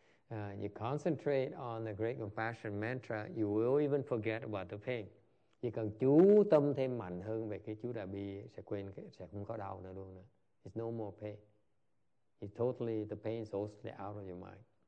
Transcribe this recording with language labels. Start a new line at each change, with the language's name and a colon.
English: You concentrate on the Great Compassion Mantra, you will even forget about the pain.
Vietnamese: Chỉ cần chú tâm thêm mạnh hơn về cái chú Đại Bi sẽ quên, sẽ không có đau nữa luôn nữa.
English: It's no more pain. It totally, the pain is totally out of your mind.